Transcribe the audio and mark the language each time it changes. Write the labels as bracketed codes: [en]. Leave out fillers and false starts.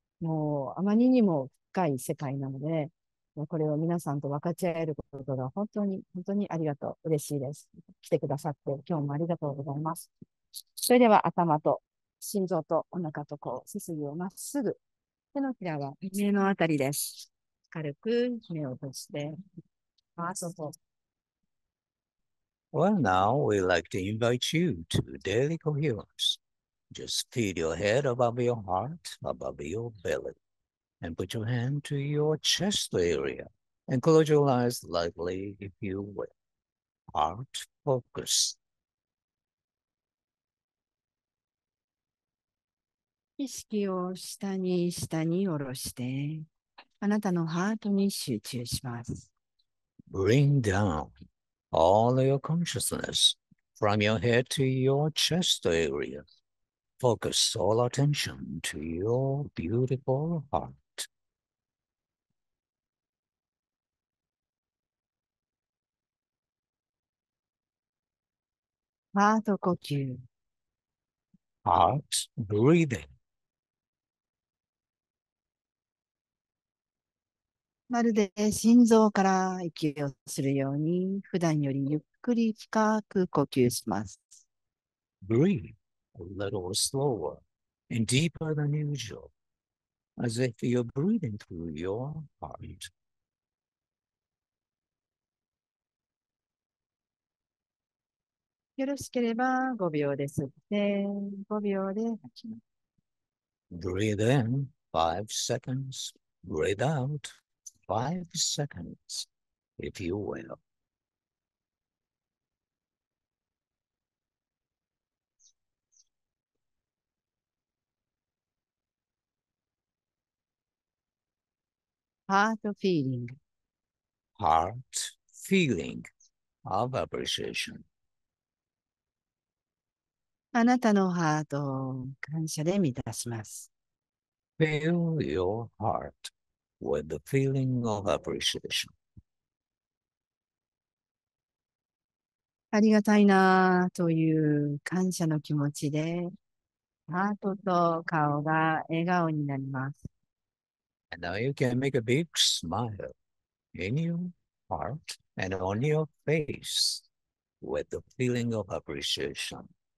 [ja] もう、あまりにも深い世界なので、これを皆さんと分かち合えることが本当に、本当にありがとう。嬉しいです。来てくださって、今日もありがとうございます。それでは頭と心臓とお腹とこう、背筋をまっすぐ。手のひらは胸のあたりです。軽く目を閉じて。あ、そうそう。 [en] Well, now we'd like to invite you to daily coherence. Just feed your head above your heart, above your belly, and put your hand to your chest area and close your eyes lightly if you will. Heart focus. [ja] 意識を下に下に下ろして、あなたのハートに集中します。 [en] Bring down. All your consciousness from your head to your chest area. Focus all attention to your beautiful heart. [ja] ハート呼吸。 [en] Heart breathing. [ja] まるで心臓から息をするように、普段よりゆっくり深く呼吸します。 [en] Breathe a little slower and deeper than usual, as if you're breathing through your heart. [ja] よろしければ5秒で吸って、5秒で吐きます。 [en] Breathe in 5 seconds. Breathe out 5 seconds, if you will. ハートフィーリング。 Heart feeling of appreciation. [ja] あなたのハートを感謝で満たします。 [en] Fill your heart with the feeling of appreciation. [ja] ありがたいなという感謝の気持ちで、ハートと顔が笑顔になります。 [en] And now you can make a big smile in your heart and on your face with the feeling of appreciation.